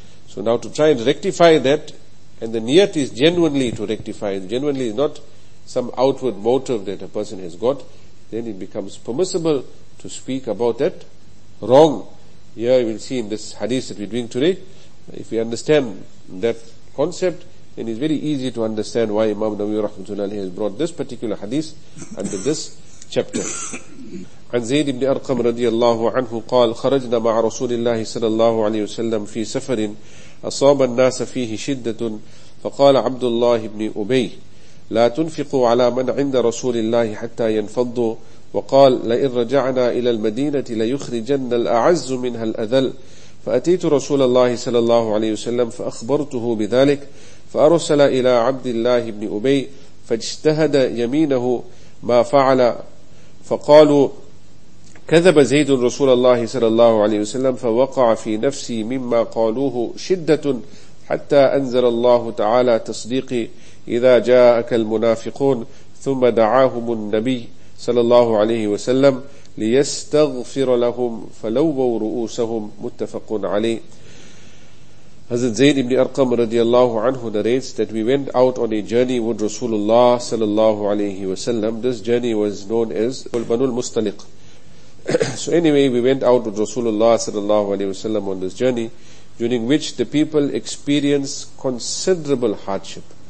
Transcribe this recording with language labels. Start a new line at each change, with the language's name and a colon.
English: So now to try and rectify that, and the niyat is genuinely to rectify, genuinely not some outward motive that a person has got, then it becomes permissible to speak about that wrong. Here you will see in this hadith that we're doing today, if we understand that concept, then it's very easy to understand why Imam Nawawi rahmatullahi has brought this particular hadith under this chapter.
Arabic: عن زيد بن أرقم رضي الله عنه قال خرجنا مع رسول الله صلى الله عليه وسلم في سفر أصاب الناس فيه شدة فقال عبد الله بن أبي لا تنفقوا على من عند رسول الله حتى ينفضوا وقال لئن رجعنا إلى المدينة ليخرجن الأعز منها الأذل فأتيت رسول الله صلى الله عليه وسلم فأخبرته بذلك فأرسل إلى عبد الله بن أبي فاجتهد يمينه ما فعل فقالوا كذب زيد رسول الله صلى الله عليه وسلم فوقع في نفسي مما قالوه شدة حتى أنزل الله تعالى تصديقي إذا جاءك المنافقون ثم دعاهم النبي صلى الله عليه وسلم ليستغفر لهم فلووا رؤوسهم متفق عليه.
English: Hazrat Zayd ibn Arqam radiallahu anhu narrates that we went out on a journey with Rasulullah sallallahu alayhi wa sallam. This journey was known as Banul Mustaliq. So anyway, we went out with Rasulullah sallallahu alayhi wa sallam on this journey, during which the people experienced considerable hardship.